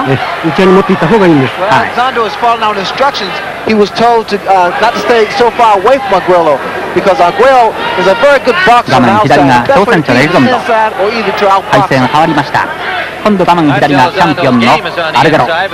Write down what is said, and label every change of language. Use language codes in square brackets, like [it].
[ja] 打ち合いに持っていった方がいいんです。エリゾンドは打ち合いに持っていった方がいいんです。 [en] He was told to not to stay so far away from Aguero because Aguero is a very good boxer. [ja] 画面左が挑戦者のエリゾンド。体勢が変わりました。今度画面左がチャンピオンのアルゲロ。